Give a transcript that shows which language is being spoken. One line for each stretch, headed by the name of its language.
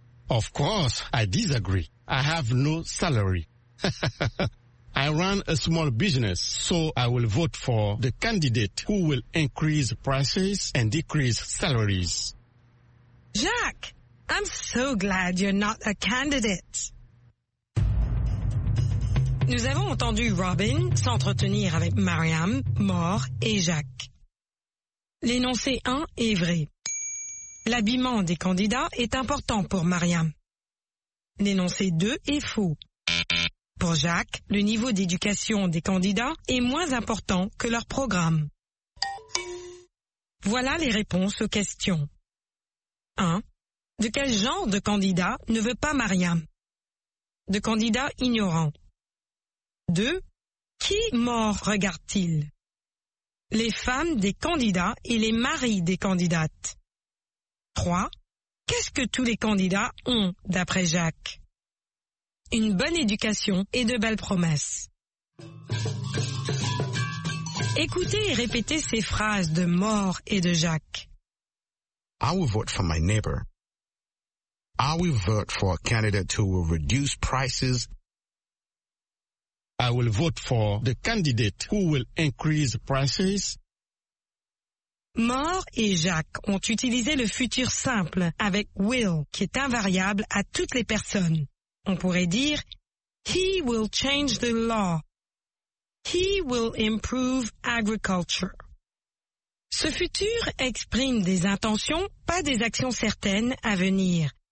English: Of course, I disagree. I have no salary. I run a small business, so I will vote for the candidate who will increase prices and decrease salaries. Jacques, I'm so glad you're not a candidate.
French: Nous avons entendu Robin s'entretenir avec Mariam, Maure et Jacques. L'énoncé 1 est vrai. L'habillement des candidats est important pour Mariam. L'énoncé 2 est faux. Pour Jacques, le niveau d'éducation des candidats est moins important que leur programme. Voilà les réponses aux questions. 1. De quel genre de candidat ne veut pas Mariam? De candidat ignorant. 2. Qui mort regarde-t-il? Les femmes des candidats et les maris des candidates. 3. Qu'est-ce que tous les candidats ont, d'après Jacques? Une bonne éducation et de belles promesses. Écoutez et répétez ces phrases de mort et de Jacques.
English: I will vote for my neighbor. I will vote for a candidate who will reduce prices. I will vote for the candidate who will increase prices.
French: Mort et Jacques ont utilisé le futur simple avec will qui est invariable à toutes les personnes. On pourrait dire
English: he will change the law. He will improve agriculture.
French: Ce futur exprime des intentions, pas des actions certaines à venir.